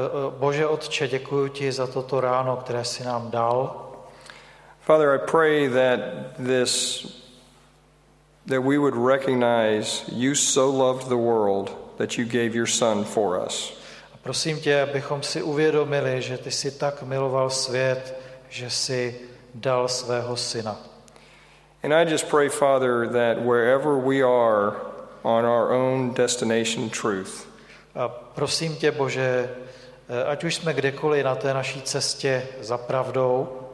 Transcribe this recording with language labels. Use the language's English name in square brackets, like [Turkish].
[Czech] Bože Otče, děkuji ti za toto ráno, které jsi nám dal. [English] Father, I pray that that we would recognize you so loved the world that you gave your son for us. [Czech] A prosím tě, abychom si uvědomili, že ty jsi tak miloval svět, že jsi dal svého syna. [English] And I just pray, Father, that wherever we are on our own destination truth. [Czech] A prosím tě, Bože, ať už jsme kdekoliv na té naší cestě za pravdou,